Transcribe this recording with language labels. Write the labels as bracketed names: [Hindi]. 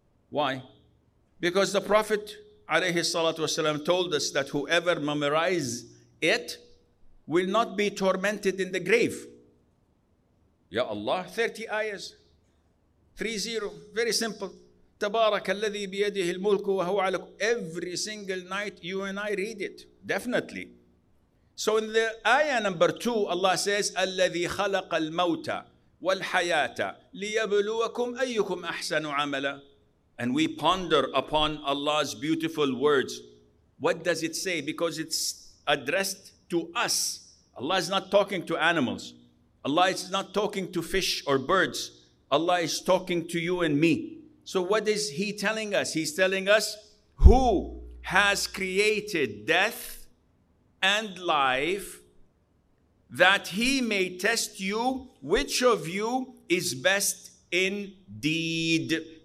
[English] Why? Because the Prophet alayhi salatu wasalam told us that whoever memorizes it will not be tormented in the grave. Ya Allah, 30 ayahs, 30, very simple. [Arabic] تبارك الذي بيده الملك وهو على كل. [English] Every single night you and I read it, definitely. So in the ayah number 2, Allah says, [Arabic] الذي خلق الموت والحياة ليبلوكم أيكم أحسن عملا. [English] And we ponder upon Allah's beautiful words. What does it say? Because it's addressed to us. Allah is not talking to animals. Allah is not talking to fish or birds. Allah is talking to you and me. So what is He telling us? He's telling us, who has created death and life, that He may test you, which of you is best in deed?